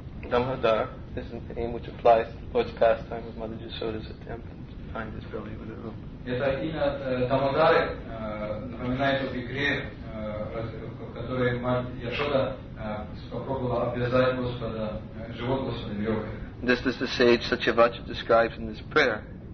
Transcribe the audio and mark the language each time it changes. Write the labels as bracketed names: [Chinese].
[English] Damodar is the name which applies to Lord's pastime of Mother Yasoda's attempt to bind his belly with a rope. [Russian] Это имя Дамодары напоминает об игре, которой мать Яшода попробовала обвязать Господа, живот Господа веревкой. [English] This is the sage Satyavacha describes in this prayer.